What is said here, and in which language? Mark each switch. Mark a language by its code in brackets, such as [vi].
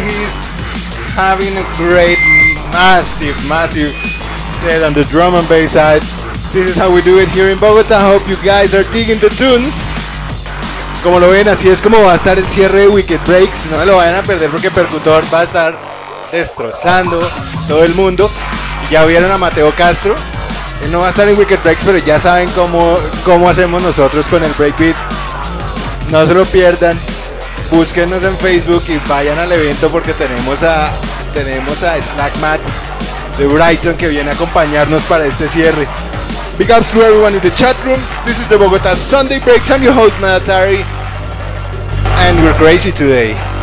[en] He's having a great, massive, massive set on the drum and bass side. This is how we do it here in Bogota. I hope you guys are digging the tunes. [es] Como lo ven, así es como va a estar el cierre de Wicked Breaks. No me lo vayan a perder porque Percutor va a estar destrozando todo el mundo. Ya vieron a Mateo Castro. Él no va a estar en Wicked Breaks, pero ya saben cómo hacemos nosotros con el breakbeat. No se lo pierdan. Búsquenos en Facebook y vayan al evento porque tenemos a Snack Matt de Brighton que viene a acompañarnos para este cierre. [en] Big ups to everyone in the chat room. This is the Bogota Sunday Breaks. I'm your host, Madatari. And we're crazy today.